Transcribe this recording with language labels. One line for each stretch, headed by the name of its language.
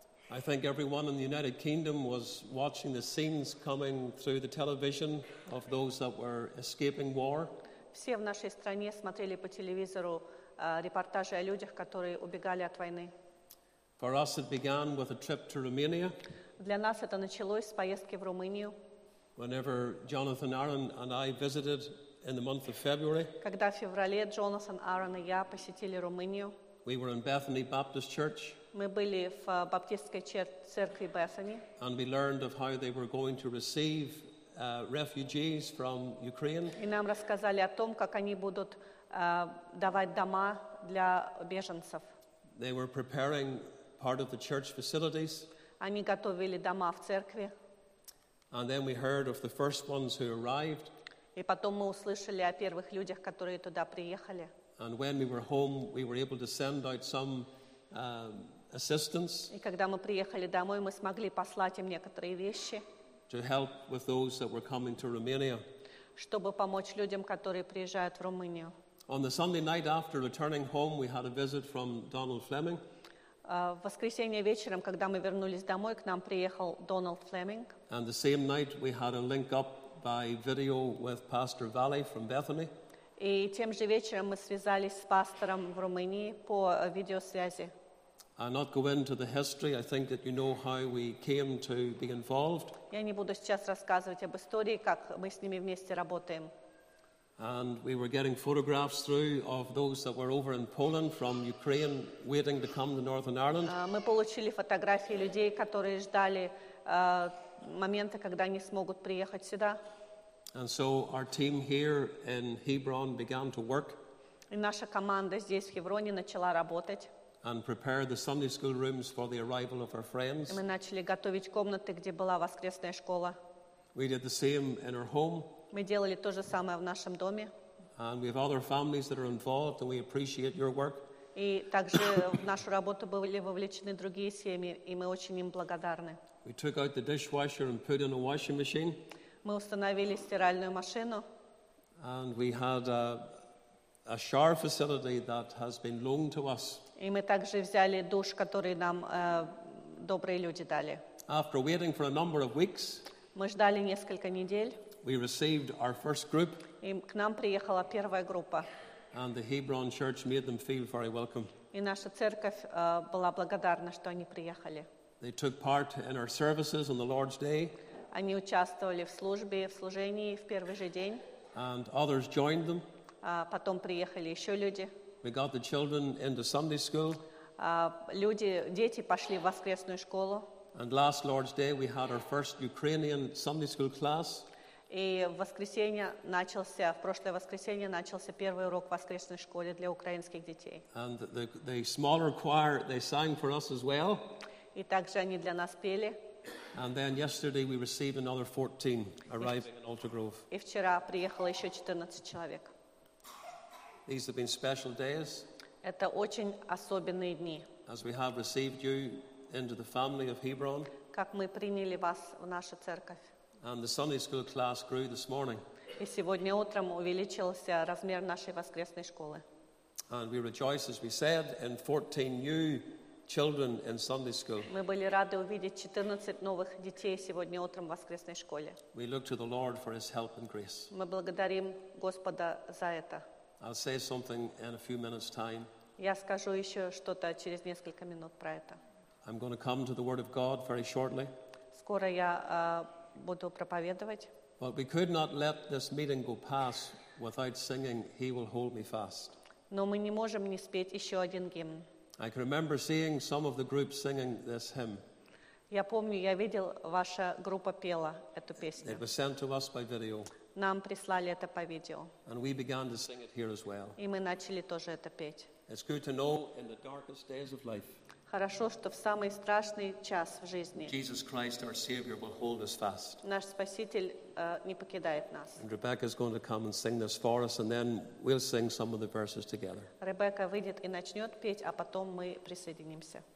English: I think everyone in the United Kingdom was watching the scenes coming through the television of those that were escaping war.
Russian: Все в нашей стране смотрели по телевизору репортажи о людях, которые убегали от войны.
English: For us, it began with a trip to Romania.
Russian: Для нас это началось с поездки в Румынию.
English: Whenever Jonathan Aaron and I visited in the month of February.
Russian: Когда в феврале Джонатан, Аарон и я посетили Румынию.
English: We were in Bethany Baptist Church.
Russian: Мы были в баптистской церкви Bethany.
English: And we learned of how they were going to receive refugees from Ukraine.
Russian: И нам рассказали о том, как они будут давать дома для беженцев.
English: They were preparing part of the church facilities.
Russian: Они готовили дома в церкви.
English: And then we heard of the first ones who arrived.
Russian: И потом мы услышали о первых людях, которые туда приехали.
English: And when we were home, we were able to send out some assistance.
Russian: И когда мы приехали домой, мы смогли послать им некоторые вещи.
English: To help with those that were coming to Romania.
Russian: Чтобы помочь людям, которые приезжают в Румынию.
English: On the Sunday night after returning home, we had a visit from Donald Fleming.
Russian: В воскресенье вечером, когда мы вернулись домой, к нам приехал Дональд Флеминг.
English: And the same night we had a link up by video with Pastor Valley from Bethany.
Russian: И тем же вечером мы связались с пастором в Румынии по видеосвязи.
English: I'll not go into the history. I think that you know how we came to be involved.
Russian: Я не буду сейчас рассказывать об истории, как мы с ними вместе работаем.
English: And we were getting photographs through of those that were over in Poland from Ukraine waiting to come to Northern Ireland.
Russian: Мы получили фотографии людей, которые ждали момента, когда они смогут приехать сюда.
English: And so our team here in Hebron began to work.
Russian: И наша команда здесь, в Хевроне, начала работать.
English: And prepare the Sunday school rooms for the arrival of our friends.
Russian: Мы начали готовить комнаты, где была воскресная школа.
English: We did the same in our home.
Russian: Мы делали то же самое в нашем доме.
English: And we have other families that are involved, and we appreciate your work.
Russian: И также в нашу работу были вовлечены другие семьи, и мы очень им благодарны.
English: We took out the dishwasher and put in a washing machine.
Russian: Мы установили стиральную машину.
English: And we had a shower facility that has been loaned to us.
Russian: И мы также взяли душ, который нам добрые люди дали.
English: After waiting for a number of weeks,
Russian: мы ждали несколько недель.
English: We received our first group.
Russian: И к нам приехала первая группа.
English: And the Hebron Church made them feel very welcome.
Russian: И наша церковь была благодарна, что они приехали.
English: They took part in our services on the Lord's Day.
Russian: Они участвовали в службе, в служении в первый же день.
English: And others joined them.
Russian: Потом приехали еще люди.
English: We got the children into Sunday school.
Russian: Дети пошли в воскресную школу.
English: And last Lord's Day we had our first Ukrainian Sunday school class.
Russian: И в воскресенье начался, в прошлое воскресенье начался первый урок в воскресной школе для украинских детей.
English: And the smaller choir, they sang for us as well.
Russian: И также они для нас пели.
English: And then yesterday we received another 14 arriving in Alter Grove.
Russian: И вчера приехало еще 14 человек.
English: These have been special days.
Russian: Это очень особенные дни.
English: As we have received you into the family of Hebron.
Russian: Как мы приняли вас в нашу церковь.
English: And the Sunday school class grew this morning.
Russian: И сегодня утром увеличился размер нашей воскресной школы.
English: And we rejoice, as we said, in 14 new children in Sunday school.
Russian: Мы были рады увидеть 14 новых детей сегодня утром в воскресной школе.
English: We look to the Lord for His help and grace.
Russian: Мы благодарим Господа за это.
English: I'll say something in a few minutes' time.
Russian: Я скажу еще что-то через несколько минут про это.
English: I'm going to come to the Word of God very shortly.
Russian: Скоро я буду проповедовать.
English: But we could not let this meeting go past without singing He Will Hold Me Fast.
Russian: Но мы не можем не спеть еще один гимн.
English: I can remember seeing some of the group singing this hymn.
Russian: Я помню, я видел, ваша группа пела эту песню.
English: It was sent to us by video.
Russian: Нам прислали это по видео.
English: And we began to sing it here as well.
Russian: И мы начали тоже это петь.
English: It's good to know in the darkest days of life.
Russian: Хорошо, что в самый страшный час в жизни
English: Jesus Christ, our Savior, will hold us fast.
Russian: Наш Спаситель не покидает нас.
English: And Rebecca is going to come and sing this for us, and then we'll sing some of the verses together.
Russian: Ребекка выйдет и начнет петь, а потом мы присоединимся.